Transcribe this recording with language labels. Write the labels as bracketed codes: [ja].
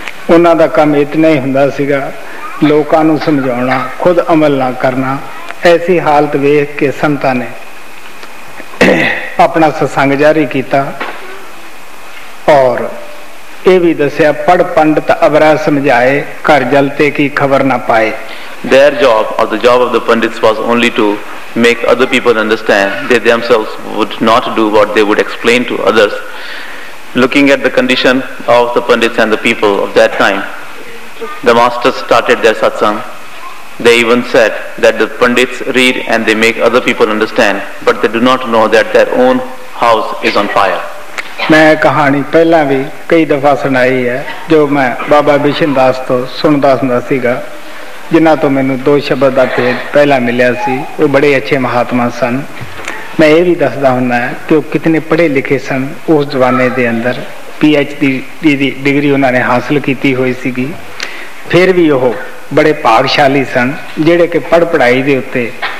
[pa] ਉਹਨਾਂ ਦਾ ਕੰਮ ਇਤਨਾ ਹੀ ਹੁੰਦਾ ਸੀਗਾ ਲੋਕਾਂ ਨੂੰ ਸਮਝਾਉਣਾ ਖੁਦ ਅਮਲ ਨਾ ਕਰਨਾ ਐਸੀ ਹਾਲਤ ਵੇਖ ਕੇ ਸੰਤਾਂ ਨੇ ਆਪਣਾ ਸਤਸੰਗ ਜਾਰੀ ਕੀਤਾ ਔਰ ਇਹ ਵੀ ਦੱਸਿਆ ਪੜ ਪੰਡਿਤ ਅਵਰਾ ਸਮਝਾਏ ਘਰ ਜਲ ਤੇ ਕੀ ਖਬਰ ਨਾ ਪਾਏ [en] Their job or the job of the pandits was only to make other people understand they themselves would not do what they would explain to others Looking at the condition of the pandits and the people of that time, the masters started their satsang. They even said that the pandits read and they make other people understand, but they do not know that their own house is on fire. [pa] ਮੈਂ ਕਹਾਣੀ ਪਹਿਲਾਂ ਵੀ ਕਈ ਦਫ਼ਾ ਸੁਣਾਈ ਹੈ ਜੋ ਮੈਂ ਬਾਬਾ ਬਿਸ਼ਨ ਦਾਸ ਤੋਂ ਸੁਣਦਾ ਹੁੰਦਾ ਸੀਗਾ ਜਿਨ੍ਹਾਂ ਤੋਂ ਮੈਨੂੰ ਦੋ ਸ਼ਬਦ ਦਾ ਭੇਦ ਪਹਿਲਾਂ ਮਿਲਿਆ ਸੀ ਉਹ ਬੜੇ ਅੱਛੇ ਮਹਾਤਮਾ ਸਨ ਮੈਂ ਇਹ ਵੀ ਦੱਸਦਾ ਹੁੰਦਾ ਹੈ ਕਿ ਉਹ ਕਿਤਨੇ ਪੜ੍ਹੇ ਲਿਖੇ ਸਨ ਉਸ ਜ਼ਮਾਨੇ ਦੇ ਅੰਦਰ PhD ਦੀ ਡਿਗਰੀ ਉਹਨਾਂ ਨੇ ਹਾਸਲ ਕੀਤੀ ਹੋਈ ਸੀਗੀ ਫਿਰ ਵੀ ਉਹ ਬੜੇ ਭਾਗਸ਼ਾਲੀ ਸਨ ਜਿਹੜੇ ਕਿ ਪੜ੍ਹ ਪੜ੍ਹਾਈ ਦੇ ਉੱਤੇ